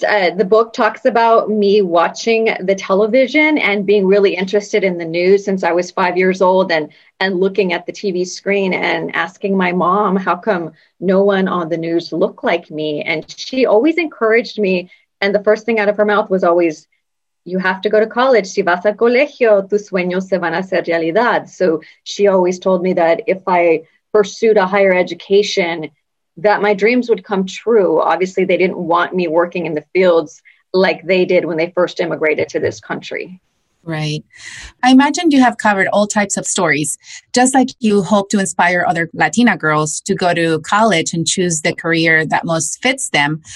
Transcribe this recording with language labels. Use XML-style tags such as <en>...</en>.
<en>The book talks about me watching the television and being really interested in the news since I was 5 years old, and looking at the TV screen and asking my mom, how come no one on the news looked like me? And she always encouraged me. And the first thing out of her mouth was always, you have to go to college.</en> <es>Si vas al colegio, tus sueños se van a hacer realidad.</es> <en>So she always told me that if I pursued a higher education, that my dreams would come true. Obviously, they didn't want me working in the fields like they did when they first immigrated to this country. Right. I imagine you have covered all types of stories, just like you hope to inspire other Latina girls to go to college and choose the career that most fits them.</en>